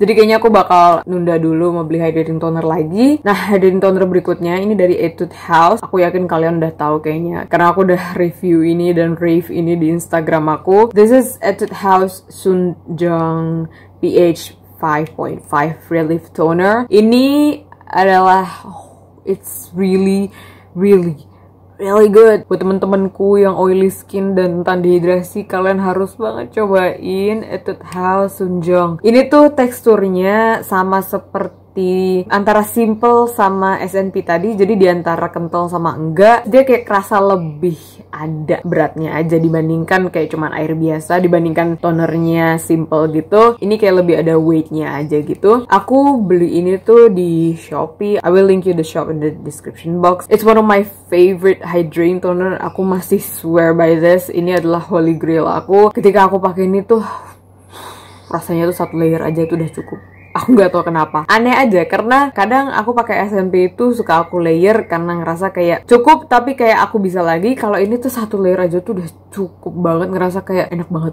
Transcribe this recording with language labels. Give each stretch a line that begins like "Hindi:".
Indonesian: Jadi kayaknya aku bakal nunda dulu mau beli hydrating toner lagi. Nah, hydrating toner berikutnya ini dari Etude House. Aku yakin kalian udah tahu kayaknya karena aku udah review ini dan rave ini di Instagram aku.
English: This is Etude House Sunjang P pH 5.5 Relief Toner.
Indonesian: Ini adalah,
English: it's really, really, really good.
Indonesian: Buat temen-temenku yang oily skin dan rentan dehidrasi, kalian harus banget cobain Etude House Sunjong. Ini tuh teksturnya sama seperti di antara simple sama SNP tadi, jadi di antara kental sama enggak, dia kayak kerasa lebih ada beratnya aja dibandingkan kayak cuman air biasa, dibandingkan tonernya simple gitu. Ini kayak lebih ada weightnya aja gitu. Aku beli ini tuh di Shopee.
English: I will link you the shop in the description box. It's one of my favorite hydrating toner.
Indonesian: Aku masih
English: swear by this.
Indonesian: Ini adalah holy grail aku. Ketika aku pakai ini tuh rasanya tuh satu layer aja tuh udah cukup. Aku nggak tahu kenapa. Aneh aja, karena kadang aku pakai SNP itu suka aku layer karena ngerasa kayak cukup, tapi kayak aku bisa lagi. Kalau ini tuh satu layer aja tuh udah cukup banget, ngerasa kayak enak banget.